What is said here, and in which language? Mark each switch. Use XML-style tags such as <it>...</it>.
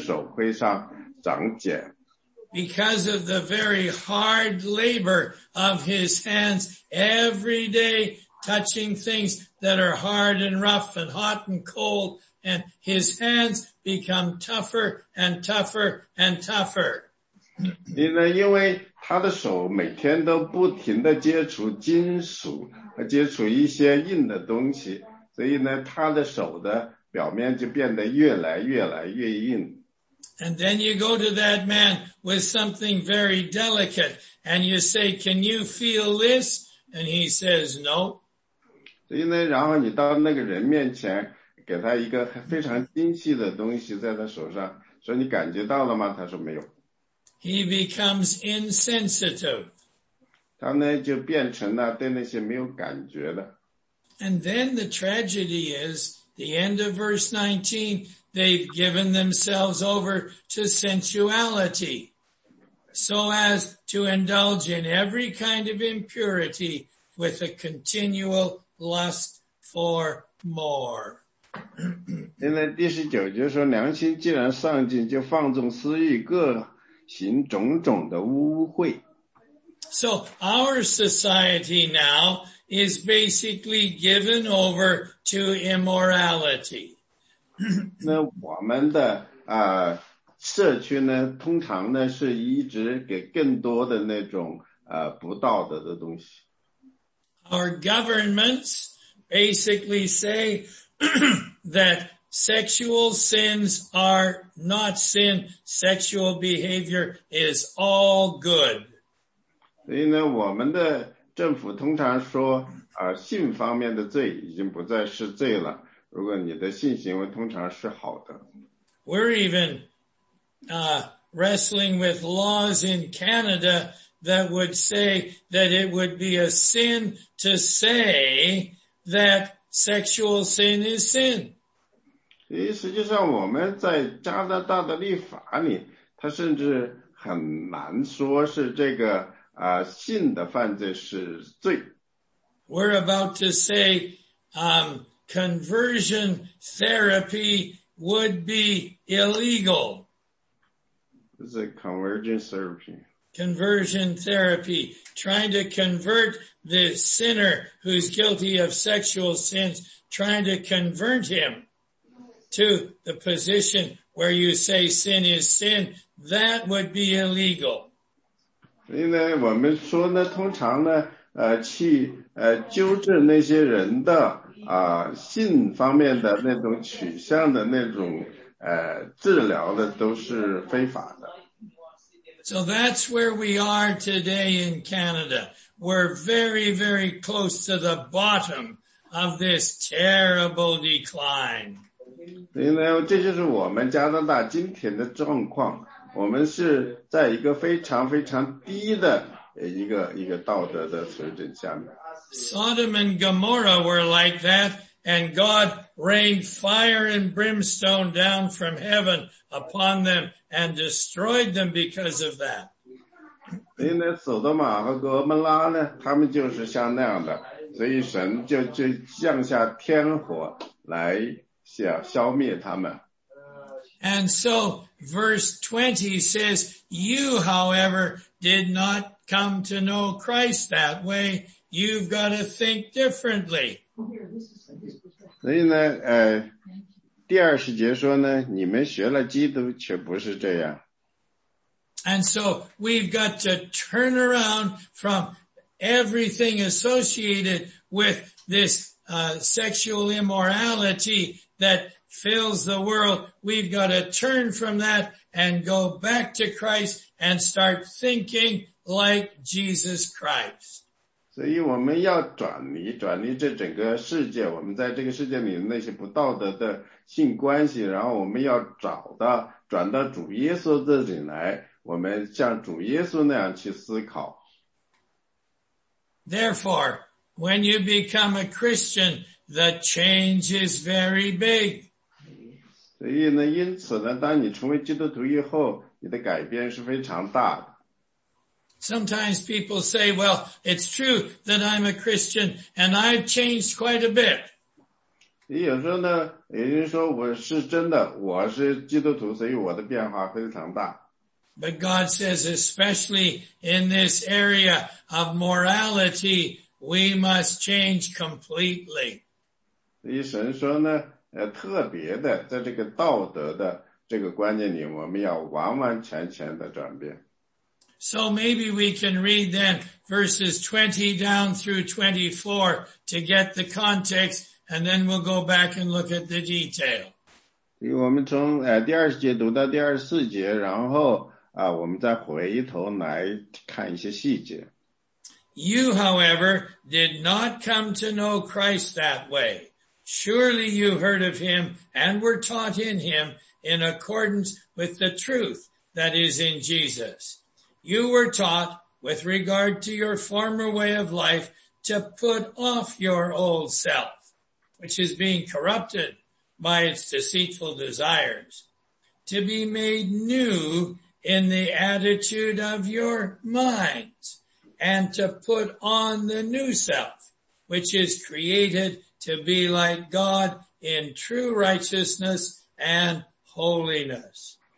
<zh>所以呢，这就是这种比方呢，就是一个人他在通常在机器方面工作的话，和机器打交道的，他们的手会上长茧。</zh> <en>Because of the very hard labor of his hands every day touching things that are hard and rough and hot and cold, and his hands become tougher and tougher and tougher.</en> <zh>因为他的手每天都不停地接触金属，接触一些硬的东西，所以呢，他的手的表面就变得越来越硬。</zh> <en>And then you go to that man with something very delicate, and you say, can you feel this? And he says, no.</en> <zh>所以呢，然后你到那个人面前，给他一个非常精细的东西在他手上，说你感觉到了吗？他说没有。</zh> <en>He becomes insensitive.</en> <zh>他呢就变成了对那些没有感觉的。</zh> <en>And then the tragedy is, the end of verse 19, they've given themselves over to sensuality, so as to indulge in every kind of impurity with a continual lust for more.</en> <zh>现在第十九节说，良心既然丧尽，就放纵私欲，各行种种的污秽。</zh> <en>So our society now is basically given over to immorality.</en> <zh>那我们的社区呢，通常呢是一直给更多的那种不道德的东西。</zh> <en>Our governments basically say that sexual sins are not sin, sexual behavior is all good.</en> <zh>所以呢，我们的政府通常说，性方面的罪已经不再是罪了。如果你的性行为通常是好的。</zh> <en>We're even, wrestling with laws in Canada that would say that it would be a sin to say that sexual sin is sin.</en> <zh>实际上我们在加拿大的立法里，它甚至很难说是这个性的犯罪是罪。</zh> <en>We're about to say, conversion therapy would be illegal. Is it conversion therapy? Conversion therapy, trying to convert the sinner who's guilty of sexual sins, trying to convert him to the position where you say sin is sin, that would be illegal.</en> <zh>所以呢，我们说呢，通常呢，去纠正那些人的性方面的那种取向的那种治疗的都是非法的。</zh> <en>So that's where we are today in Canada. We're very, very close to the bottom of this terrible decline.</en> <zh>所以呢，这就是我们加拿大今天的状况。我们是在一个非常非常低的一个道德的水准下面。</zh> <en>Sodom and Gomorrah were like that, and God rained fire and brimstone down from heaven upon them and destroyed them because of that.</en> <zh>因为索多玛和哥摩拉呢，他们就是像那样的，所以神就降下天火来消灭他们。</zh> <en>And so verse 20 says, you, however, did not come to know Christ that way. You've got to think differently.</en> <zh>所以呢，第二十节说呢，你们学了基督却不是这样。</zh> <en>And so we've got to turn around from everything associated with this sexual immorality that fills the world. We've got to turn from that and go back to Christ and start thinking like Jesus Christ.</en> <zh>所以我们要转离这整个世界，我们在这个世界里那些不道德的性关系，然后我们要转到主耶稣这里来，我们像主耶稣那样去思考。</zh> <en>Therefore, when you become a Christian, the change is very big.</en> <zh>所以呢，因此呢，当你成为基督徒以后，你的改变是非常大的。</zh> <en>Sometimes people say, well, it's true that I'm a Christian and I've changed quite a bit.</en> <zh>有时候呢，有人说我是真的，我是基督徒，所以我的变化非常大。</zh> <en>But God says, especially in this area of morality, we must change completely.</en> <zh>所以神说呢，特别的在这个道德的这个观念里，我们要完完全全的转变。</zh> <en>So maybe we can read then verses 20 down through 24 to get the context, and then we'll go back and look at the detail.</en> <zh>我们从第二十节读到第二十四节，然后我们再回头来看一些细节。</zh> <en>You, however, did not come to know Christ that way. Surely you heard of him and were taught in him in accordance with the truth that is in Jesus. You were taught, with regard to your former way of life, to put off your old self, which is being corrupted by its deceitful desires, to be made new in the attitude of your minds, and to put on the new self, which is created to be like God in true righteousness and holiness.</en>